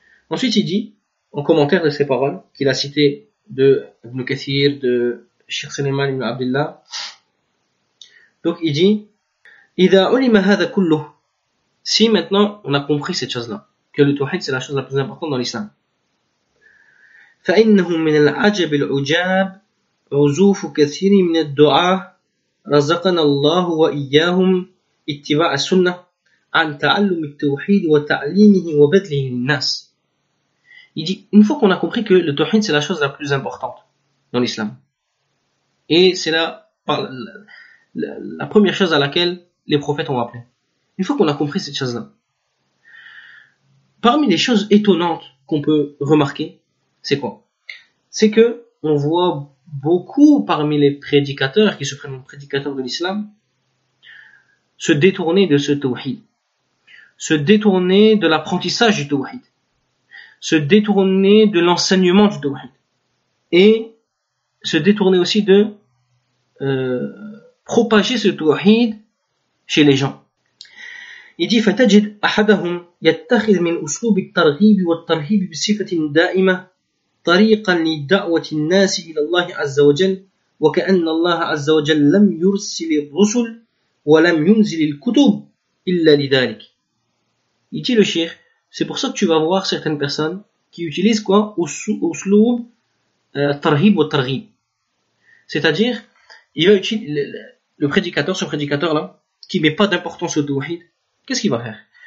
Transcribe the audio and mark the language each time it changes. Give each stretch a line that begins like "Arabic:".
French: Ensuite, il dit, en commentaire de ces paroles qu'il a citées de Ibn Kathir, de Cheikh Suleiman Ibn Abdullah, donc il dit, Ida ulima, si maintenant on a compris cette chose-là, que le tawhid c'est la chose la plus importante dans l'islam.
Arabic: فإنه من العجب العجاب عزوف كثير من الدعاة رزقنا الله وإياهم اتباع السنة عن تعلم التوحيد وتعليمه وبذله للناس.
French: Il dit, une fois qu'on a compris que le tawhid c'est la chose la plus importante dans l'islam, et c'est la première chose à laquelle les prophètes ont appelé. Une fois qu'on a compris cette chose-là, parmi les choses étonnantes qu'on peut remarquer, c'est quoi? C'est que on voit beaucoup parmi les prédicateurs qui se prennent en prédicateurs de l'islam se détourner de ce tawhid, se détourner de l'apprentissage du tawhid, se détourner de l'enseignement du tawhid et se détourner aussi de propager ce tawhid chez les gens.
Arabic: Il dit فتجد أحدهم يتخذ من أسلوب الترغيب والترهيب بصفة دائمة طريقا لدعوة الناس إلى الله عز وجل وكأن الله عز وجل لم يرسل الرسل ولم ينزل الكتب إلا لذلك.
French: Il dit le cheikh, c'est pour ça que tu vas voir certaines personnes qui utilisent quoi? Usloub tarhib wa tarhib. C'est-à-dire, il va utiliser le prédicateur, ce prédicateur là, qui met pas d'importance au tawhid, qu'est-ce qu'il va faire?